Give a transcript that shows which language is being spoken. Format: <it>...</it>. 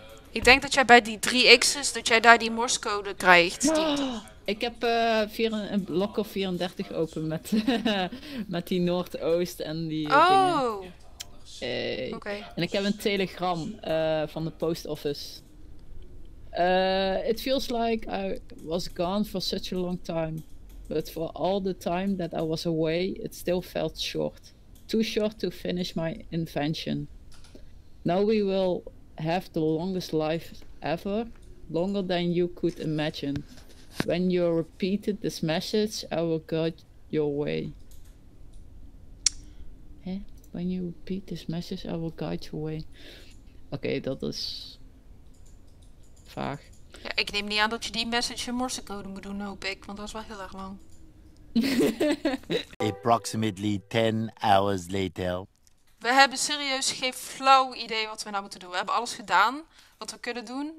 <nl>Ik denk dat jij bij die 3x's, dat jij daar die morsecode krijgt. Oh, die... Ik heb een blok of 34 open met, met die Noordoost en die Oké. Okay. En ik heb een telegram van de post office.</nl> <en>It feels like I was gone for such a long time. But for all the time that I was away, it still felt short. Too short to finish my invention. Now we will have the longest life ever, longer than you could imagine. When you repeated this message, I will guide your way. Hey, when you repeat this message, I will guide your way.</en> <nl>Okay, dat is vaag. Ja, ik neem niet aan dat je die message in morsecode moet doen, hoop ik, want dat is wel heel erg lang.</nl> <en>Approximately 10 hours later.</en> <nl>We hebben serieus geen flauw idee wat we nou moeten doen. We hebben alles gedaan wat we kunnen doen.</nl>